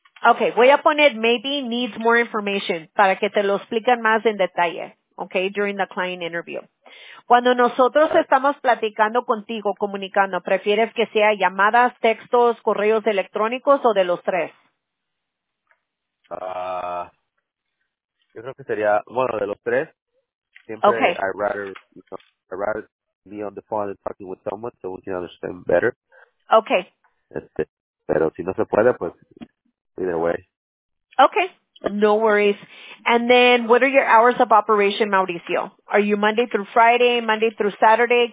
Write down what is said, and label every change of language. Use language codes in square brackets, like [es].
[es] Okay, voy a poner [en] maybe needs more information [es] para que te lo expliquen más en detalle, okay, [en] during the client interview. [es] Cuando nosotros estamos platicando contigo, comunicando, ¿prefieres que sea llamadas, textos, correos electrónicos o de los tres? Yo creo que sería, bueno, de los tres. Siempre, okay. [en] I'd rather be on the phone and talking with someone so we can understand better. Okay. [es] Pero si no se puede, pues, [en] either way. Okay. No worries. And then, what are your hours of operation, Mauricio? Are you Monday through Friday, Monday through Saturday?